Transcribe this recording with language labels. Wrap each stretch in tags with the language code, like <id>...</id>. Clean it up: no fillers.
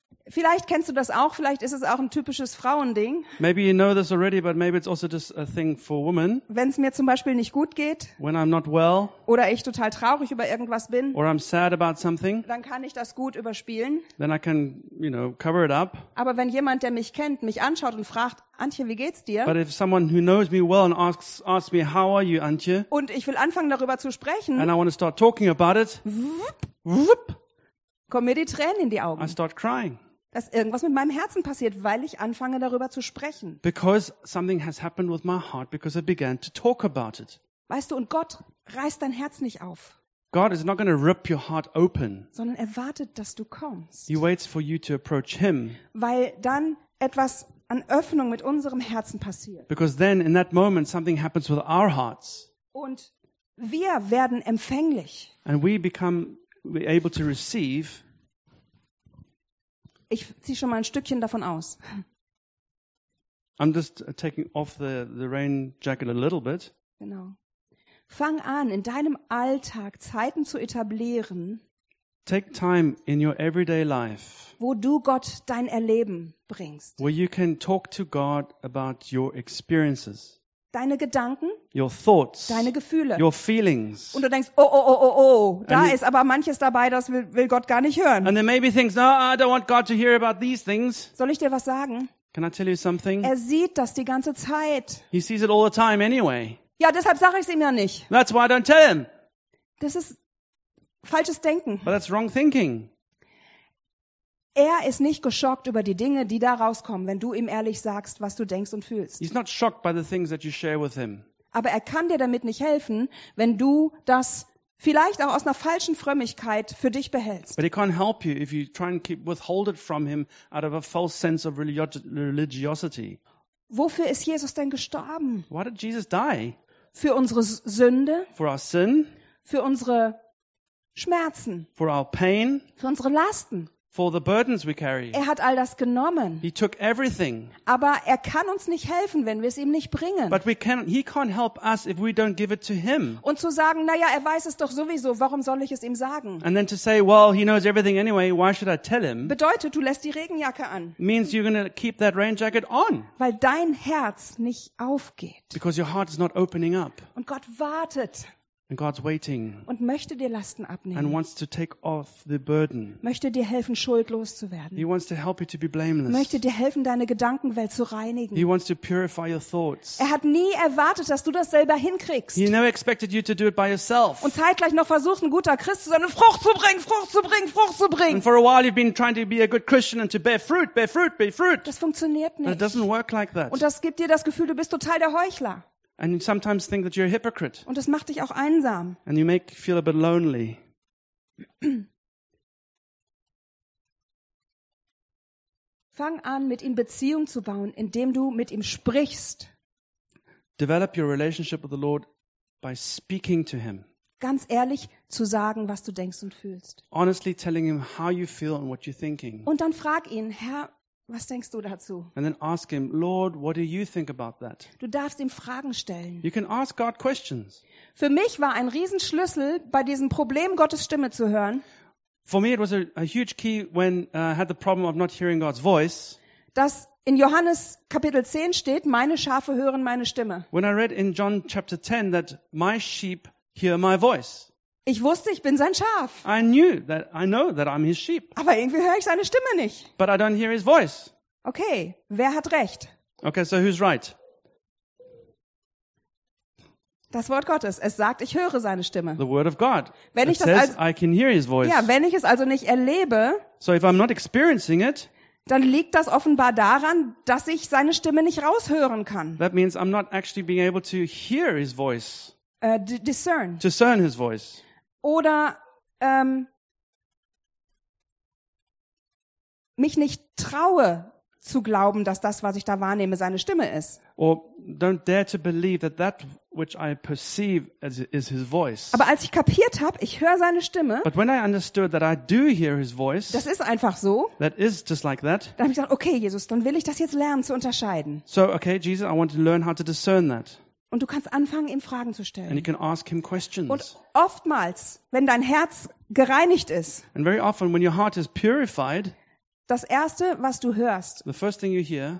<de>Vielleicht kennst du das auch. Vielleicht ist es auch ein typisches Frauending.</de> <en>Maybe you know this already, but maybe it's also just a thing for women.</en> <de>Wenn es mir zum Beispiel nicht gut geht,</de> <en>when I'm not well,</en> <de>oder ich total traurig über irgendwas bin,</de> <en>or I'm sad about something,</en> <de>dann kann ich das gut überspielen.</de> <en>Then I can, you know, cover it up.</en> <de>Aber wenn jemand, der mich kennt, mich anschaut und fragt, Antje, wie geht's dir?</de> <en>But if someone who knows me well and asks me, how are you, Antje?</en> <de>Und ich will anfangen darüber zu sprechen.</de> <en>And I want to start talking about it.</en> <de>Wupp, kommen mir die Tränen in die Augen.</de> <en>I start crying.</en> <de>Dass irgendwas mit meinem Herzen passiert, weil ich anfange darüber zu sprechen.</de> <en>Because something has happened with my heart because I began to talk about it.</en> <de>Weißt du, und Gott reißt dein Herz nicht auf.</de> <en>God is not going to rip your heart open.</en> <de>Sondern er wartet, dass du kommst.</de> <en>He waits for you to approach him.</en> <de>Weil dann etwas an Öffnung mit unserem Herzen passiert.</de> <en>Because then in that moment something happens with our hearts.</en> <de>Und wir werden empfänglich.</de> <en>And we become able to receive.</en> <de>Ich ziehe schon mal ein Stückchen davon aus.</de> <en>I'm just taking off the rain jacket a little bit.</en> <de>Genau. Fang an, in deinem Alltag Zeiten zu etablieren.</de> <en>Take time in your everyday life.</en> <de>Wo du Gott dein Erleben bringst.</de> <en>Where you can talk to God about your experiences.</en> <de>Deine Gedanken,</de> <en>your thoughts,</en> <de>deine Gefühle,</de> <en>your feelings.</en> <de>Und du denkst, oh, da ist aber manches dabei, das will Gott gar nicht hören.</de> <en>And there may be things, no, I don't want God to hear about these things.</en> <de>Soll ich dir was sagen?</de> <en>Can I tell you something?</en> <de>Er sieht das die ganze Zeit.</de> <en>He sees it all the time anyway.</en> <de>Ja, deshalb sage ich es ihm ja nicht.</de> <en>That's why I don't tell him.</en> <de>Das ist falsches Denken.</de> <en>But that's wrong thinking.</en> <de>Er ist nicht geschockt über die Dinge, die da rauskommen, wenn du ihm ehrlich sagst, was du denkst und fühlst.</de> <en>He's not shocked by the things that you share with him.</en> <de>Aber er kann dir damit nicht helfen, wenn du das vielleicht auch aus einer falschen Frömmigkeit für dich behältst.</de> <en>But he can't help you if you try and keep withhold it from him out of a false sense of religiosity.</en> <de>Wofür ist Jesus denn gestorben?</de> <en>Why did Jesus die?</en> <de>Für unsere Sünde?</de> <en>For our sin?</en> <de>Für unsere Schmerzen.</de> <en>For our pain.</en> <de>Für unsere Lasten.</de> <en>For the burdens we carry.</en> <de>Er hat all das genommen.</de> <en>He took everything.</en> <de>Aber er kann uns nicht helfen, wenn wir es ihm nicht bringen.</de> <en>But he can't help us if we don't give it to him.</en> <de>Und zu sagen, naja, er weiß es doch sowieso, warum soll ich es ihm sagen?</de> <en>And then to say, well, he knows everything anyway, why should I tell him?</en> <de>Bedeutet, du lässt die Regenjacke an.</de> <en>Means you're gonna keep that rain jacket on.</en> <de>Weil dein Herz nicht aufgeht.</de> <en>Because your heart is not opening up.</en> <de>Und Gott wartet.</de> <en>And God's waiting.</en> <de>Und möchte dir Lasten abnehmen.</de> <en>And wants to take off the burden.</en> <de>Möchte dir helfen, Schuld loszuwerden.</de> <en>He wants to help you to be blameless.</en> <de>Möchte dir helfen, deine Gedankenwelt zu reinigen.</de> <en>He wants to purify your thoughts.</en> <de>Er hat nie erwartet, dass du das selber hinkriegst.</de> <en>He never expected you to do it by yourself.</en> <de>Und zeitgleich noch versucht, ein guter Christ zu sein und Frucht zu bringen, Frucht zu bringen, Frucht zu bringen.</de> <en>And for a while you've been trying to be a good Christian and to bear fruit, bear fruit, bear fruit.</en> <de>Das funktioniert nicht.</de> <en>And it doesn't work like that.</en> <de>Und das gibt dir das Gefühl, du bist total der Heuchler.</de> <en>And you sometimes think that you're a hypocrite.</en> <de>Und das macht dich auch einsam.</de> <en>And you make you feel a bit lonely.</en> <de>Fang an, mit ihm Beziehung zu bauen, indem du mit ihm sprichst.</de> <en>Develop your relationship with the Lord by speaking to him.</en> <de>Ganz ehrlich zu sagen, was du denkst und fühlst.</de> <en>Honestly telling him how you feel and what you're thinking.</en> <de>Und dann frag ihn, Herr, was denkst du dazu?</de> <en>And then ask him, Lord, what do you think about that?</en> <de>Du darfst ihm Fragen stellen.</de> <en>You can ask God questions.</en> <de>Für mich war ein Riesenschlüssel, bei diesem Problem Gottes Stimme zu hören.</de> <en>For me it was a huge key when I had the problem of not hearing God's voice.</en> <de>Dass in Johannes Kapitel 10 steht, meine Schafe hören meine Stimme.</de> <en>When I read in John chapter 10 that my sheep hear my voice.</en> <de>Ich wusste, ich bin sein Schaf.</de> <en>I knew that I know that I'm his sheep.</en> <de>Aber irgendwie höre ich seine Stimme nicht.</de> <en>But I don't hear his voice.</en> <de>Okay, wer hat recht?</de> <en>Okay, so who's right?</en> <de>Das Wort Gottes, es sagt, ich höre seine Stimme.</de> <en>The word of God.</en> <de>Wenn ich das</de> <en>says,</en> <de>also,</de> <en>I can hear his voice.</en> <de>Ja, wenn ich es also nicht erlebe,</de> <en>so if I'm not experiencing it,</en> <de>dann liegt das offenbar daran, dass ich seine Stimme nicht raushören kann.</de> <en>That means I'm not actually being able to hear his voice. Discern. Discern his voice.</en> <de>Oder mich nicht traue zu glauben, dass das, was ich da wahrnehme, seine Stimme ist.</de> <en>Or don't dare to believe that that which I perceive is his voice.</en> <de>Aber als ich kapiert habe, ich höre seine Stimme.</de> <en>But when I understood that I do hear his voice.</en> <de>Das ist einfach so.</de> <en>That is just like that.</en> <de>Dann habe ich gesagt, okay, Jesus, dann will ich das jetzt lernen zu unterscheiden.</de> <en>So, okay, Jesus, I want to learn how to discern that.</en> <de>Und du kannst anfangen, ihm Fragen zu stellen.</de> <en>And you can ask him questions.</en> <de>Und oftmals, wenn dein Herz gereinigt ist,</de> <en>and very often when your heart is purified,</en> <de>das Erste, was du hörst,</de> <en>the first thing you hear,</en>